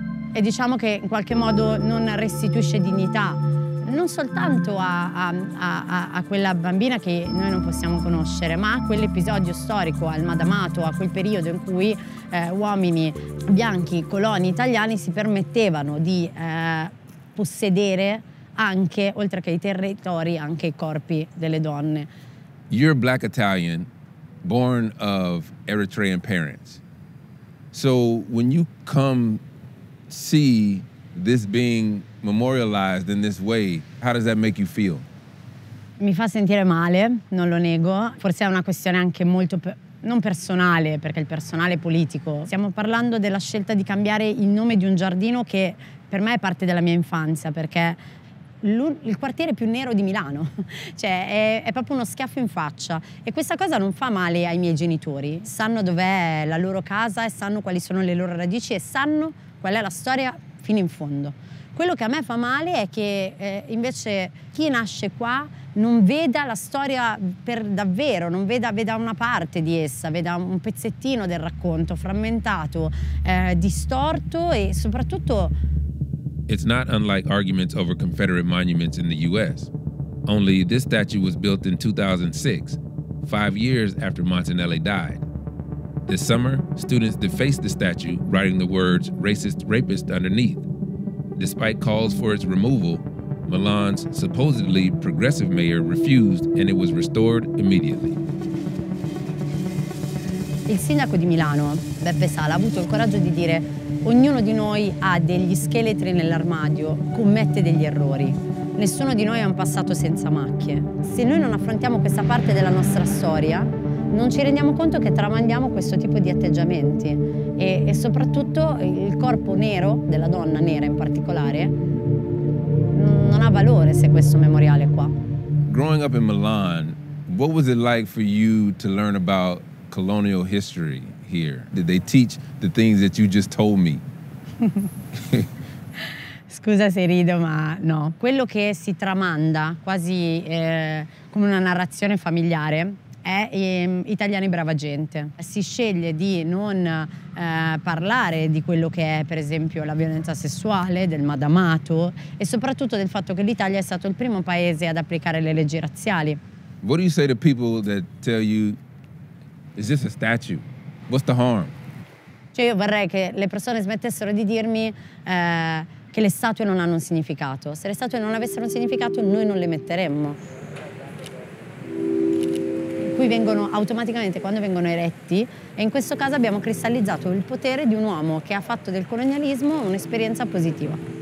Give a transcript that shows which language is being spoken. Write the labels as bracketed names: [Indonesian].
[Italian] E diciamo che in qualche modo non restituisce dignità non soltanto a quella bambina che noi non possiamo conoscere, ma a quell'episodio storico, al madamato, a quel periodo in cui uomini bianchi, coloni italiani, si permettevano di possedere anche, oltre che i territori, anche i corpi delle donne. [English] You're a black Italian, born of Eritrean parents. So when you come see this being memorialized in this way, how does that make you feel? [Italian] Mi fa sentire male, non lo nego. Forse è una questione anche molto non personale, perché il personale è politico. Stiamo parlando della scelta di cambiare il nome di un giardino che per me è parte della mia infanzia, perché il quartiere più nero di Milano, cioè è proprio uno schiaffo in faccia, e questa cosa non fa male ai miei genitori. Sanno dov'è la loro casa e sanno quali sono le loro radici e sanno qual è la storia fino in fondo. Quello che a me fa male è che invece chi nasce qua non veda la storia per davvero, non veda una parte di essa, veda un pezzettino del racconto frammentato, distorto e soprattutto. [English] It's not unlike arguments over Confederate monuments in the US. Only this statue was built in 2006, 5 years after Montanelli died. This summer, students defaced the statue, writing the words racist rapist underneath. Despite calls for its removal, Milan's supposedly progressive mayor refused and it was restored immediately. [Italian] Il sindaco di Milano, Beppe Sala, ha avuto il coraggio di dire: ognuno di noi ha degli scheletri nell'armadio, commette degli errori. Nessuno di noi ha un passato senza macchie. Se noi non affrontiamo questa parte della nostra storia, non ci rendiamo conto che tramandiamo questo tipo di atteggiamenti e soprattutto il corpo nero, della donna nera in particolare, non ha valore se questo memoriale è qua. [English] Growing up in Milan, what was it like for you to learn about colonial history here? Did they teach the things that you just told me? [Italian] Scusa se rido, ma no. Quello che si tramanda quasi come una narrazione familiare è italiani brava gente. Si sceglie di non parlare di quello che è, per esempio, la violenza sessuale, del madamato e soprattutto del fatto che l'Italia è stato il primo paese ad applicare le leggi razziali. [English] What do you say to people that tell you, is this a statue? What's the harm? [Italian] Cioè, io vorrei che le persone smettessero di dirmi che le statue non hanno un significato. Se le statue non avessero un significato, noi non le metteremmo. Qui vengono automaticamente quando vengono eretti, e in questo caso abbiamo cristallizzato il potere di un uomo che ha fatto del colonialismo un'esperienza positiva.